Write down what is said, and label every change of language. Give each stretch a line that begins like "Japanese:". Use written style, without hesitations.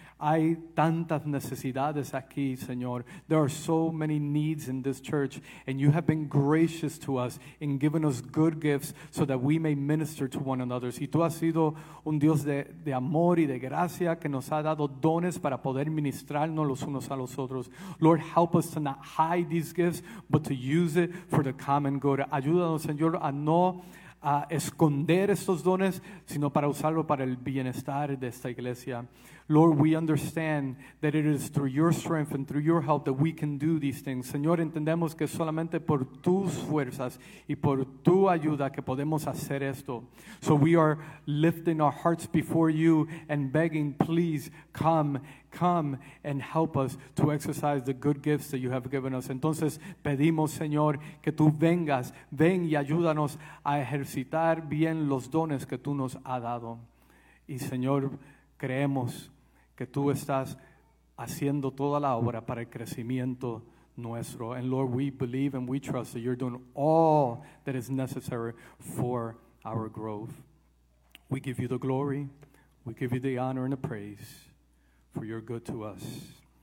Spanish: Hay tantas necesidades aquí, Señor.
English: There are so many needs in this church, and you have been gracious to us in giving us good gifts so that we may minister to one another.
Spanish: Si tú has sido un Dios de amor y de gracia que nos ha dado dones para poder ministrarnos los unos a los otros.
English: Lord, help us to not hide these gifts, but to use it for the common good.
Spanish: Ayúdanos, Señor, a no esconder estos dones, sino para usarlo para el bienestar de esta iglesia.
English: Lord, we understand that it is through your strength and through your help that we can do these things.
Spanish: Señor, entendemos que solamente por tus fuerzas y por tu ayuda que podemos hacer esto.
English: So we are lifting our hearts before you and begging, please come, come and help us to exercise the good gifts that you have given us.
Spanish: Entonces, pedimos, Señor, que tú vengas, ven y ayúdanos a ejercitar bien los dones que tú nos has dado. Y Señor, creemos que tú estás haciendo toda la obra para el crecimiento nuestro.
English: And Lord, we believe and we trust that you're doing all that is necessary for our growth. We give you the glory, we give you the honor and the praise for your good to us.